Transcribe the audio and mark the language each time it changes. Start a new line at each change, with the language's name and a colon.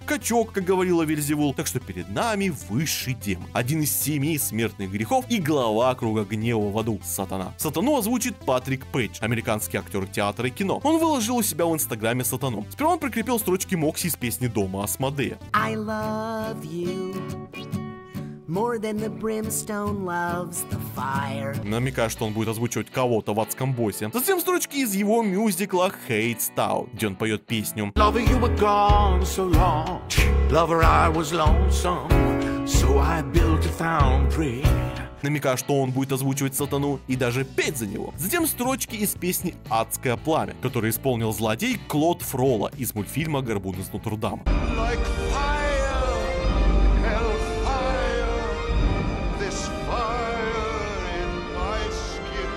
Russian: Качок, как говорила Вельзевул. Так что перед нами высший демон. Один из семи смертных грехов и глава круга гнева в аду. Сатана. Сатану озвучит Патрик Пейдж, американский актер театра и кино. Он выложил у себя в инстаграме сатану. Сперва он прикрепил строчки Мокси из песни «Дома Асмодея».
English: I love you more than the brimstone loves the fire.
Russian: Намекая, что он будет озвучивать кого-то в адском боссе. Затем строчки из его мюзикла Hate Style, где он поет песню.
English: Lover, you were gone so long. Lover, I was lonesome. So I built a foundry.
Russian: Намекая, что он будет озвучивать сатану и даже петь за него. Затем строчки из песни «Адское пламя», которую исполнил злодей Клод Фрола из мультфильма «Горбун из Нотр-Дам».
English: Like fire, hellfire, this fire in my skin.